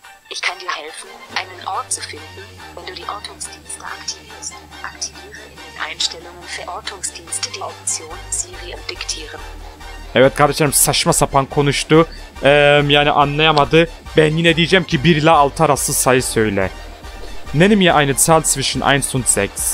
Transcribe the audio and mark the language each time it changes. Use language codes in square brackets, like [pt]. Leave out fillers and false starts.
[de] Ich kann dir helfen, einen Ort zu finden, wenn du die Ortungsdienste aktivierst. Aktiviere in den Einstellungen für Ortungsdienste die Option Siri und diktieren. [tr] Evet kardeşlerim, saçma sapan konuştu. Yani anlayamadı. Ben yine diyeceğim ki 1 ile 6 arası sayı söyle. [de] Nenne mir eine Zahl zwischen 1 und 6.